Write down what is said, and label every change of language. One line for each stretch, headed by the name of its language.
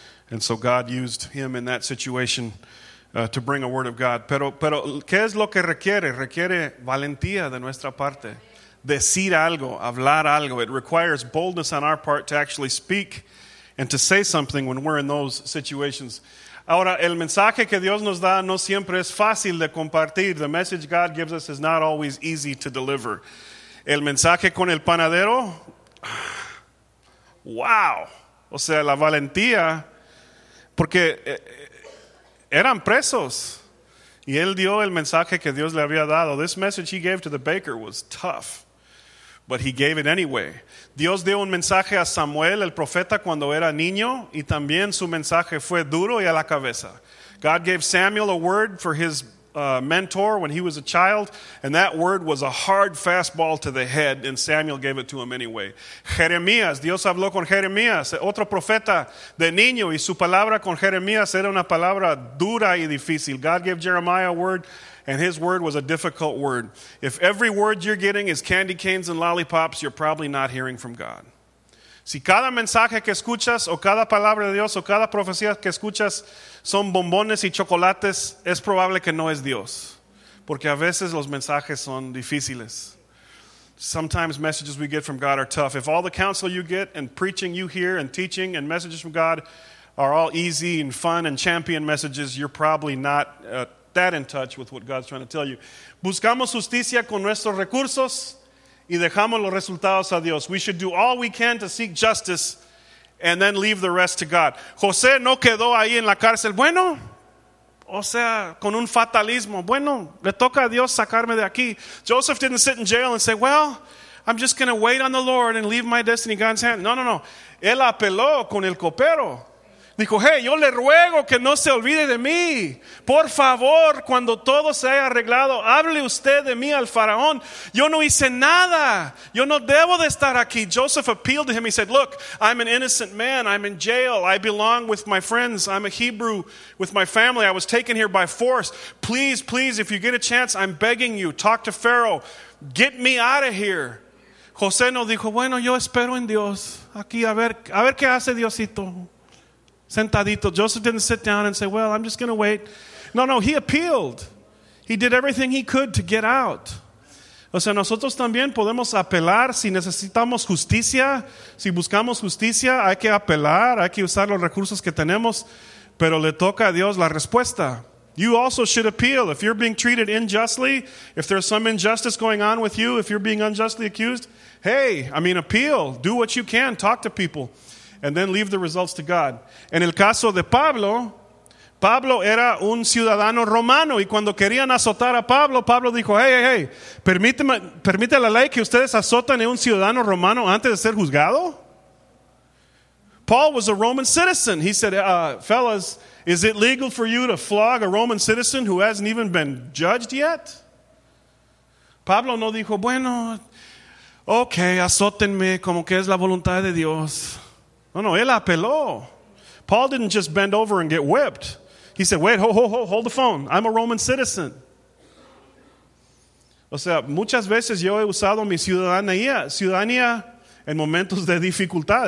English: And so God used him in that situation to bring a word of God.
Spanish: Pero ¿qué es lo que requiere? Requiere valentía de nuestra parte. Decir algo, hablar algo.
English: It requires boldness on our part to actually speak and to say something when we're in those situations.
Spanish: Ahora, el mensaje que Dios nos da no siempre es fácil de compartir.
English: The message God gives us is not always easy to deliver.
Spanish: El mensaje con el panadero, wow. O sea, la valentía, porque eran presos. Y él dio el mensaje que Dios le había dado.
English: This message he gave to the baker was tough. But he gave it anyway.
Spanish: Dios dio un mensaje a Samuel, el profeta, cuando era niño, y también su mensaje fue duro y a la cabeza.
English: God gave Samuel a word for his mentor when he was a child, and that word was a hard fastball to the head, and Samuel gave it to him anyway.
Spanish: Jeremías, Dios habló con Jeremías, otro profeta de niño, y su palabra con Jeremías era una palabra dura y difícil.
English: God gave Jeremiah a word, and his word was a difficult word. If every word you're getting is candy canes and lollipops, you're probably not hearing from God.
Spanish: Si cada mensaje que escuchas, o cada palabra de Dios, o cada profecía que escuchas son bombones y chocolates, es probable que no es Dios. Porque a veces los mensajes son difíciles.
English: Sometimes messages we get from God are tough. If all the counsel you get and preaching you hear and teaching and messages from God are all easy and fun and champion messages, you're probably not that in touch with what God's trying to tell you.
Spanish: Buscamos justicia con nuestros recursos y dejamos los resultados a Dios.
English: We should do all we can to seek justice and then leave the rest to God.
Spanish: José no quedó ahí en la cárcel. Bueno, o sea, con un fatalismo. Bueno, le toca a Dios sacarme de aquí.
English: Joseph didn't sit in jail and say, well, I'm just going to wait on the Lord and leave my destiny in God's hand. No, no, no.
Spanish: Él apeló con el copero. Dijo, hey, yo le ruego que no se olvide de mí. Por favor, cuando todo se haya arreglado, hable usted de mí al faraón. Yo no hice nada. Yo no debo de estar aquí.
English: Joseph appealed to him. He said, look, I'm an innocent man. I'm in jail. I belong with my friends. I'm a Hebrew with my family. I was taken here by force. Please, please, if you get a chance, I'm begging you, talk to Pharaoh. Get me out of here.
Spanish: José no dijo, bueno, yo espero en Dios. Aquí, a ver qué hace Diosito. Sentadito.
English: Joseph didn't sit down and say, well, I'm just going to wait. No, no, he appealed. He did everything he could to get out.
Spanish: O sea, nosotros también podemos apelar si necesitamos justicia. Si buscamos justicia, hay que apelar, hay que usar los recursos que tenemos. Pero le toca a Dios la respuesta.
English: You also should appeal. If you're being treated unjustly, if there's some injustice going on with you, if you're being unjustly accused, hey, I mean, appeal. Do what you can. Talk to people. And then leave the results to God.
Spanish: En el caso de Pablo, Pablo era un ciudadano romano. Y cuando querían azotar a Pablo, Pablo dijo, hey, hey, hey, permite la ley que ustedes azoten a un ciudadano romano antes de ser juzgado.
English: Paul was a Roman citizen. He said, fellas, is it legal for you to flog a Roman citizen who hasn't even been judged yet?
Spanish: Pablo no dijo, bueno, okay, azótenme como que es la voluntad de Dios. No, no, él apeló.
English: Paul didn't just bend over and get whipped. He said, wait, hold the phone. I'm a Roman citizen.
Spanish: O sea, muchas veces yo he usado mi ciudadanía en momentos de dificultad.